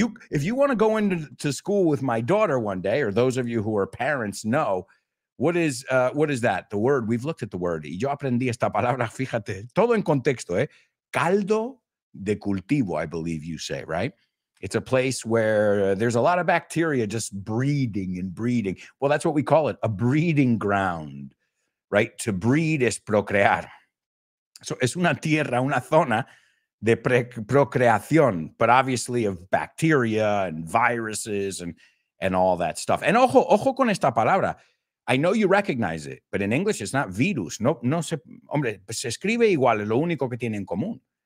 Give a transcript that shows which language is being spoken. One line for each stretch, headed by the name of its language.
English: If you want to go into school with my daughter one day, or those of you who are parents know, what is that? The word, we've looked at the word.
Spanish: Y yo aprendí esta palabra, fíjate, todo en contexto, eh? Caldo de cultivo,
English: I believe you say, right? It's a place where there's a lot of bacteria just breeding and breeding. Well, that's what we call it, a breeding ground, right? To breed is procrear. So
Spanish: es una tierra, una zona de procreación,
English: but obviously of bacteria and viruses and all that stuff. And
Spanish: ojo con esta palabra.
English: I know you recognize it, but in English it's not virus.
Spanish: No, no se, hombre, se escribe igual, lo único que tiene en común.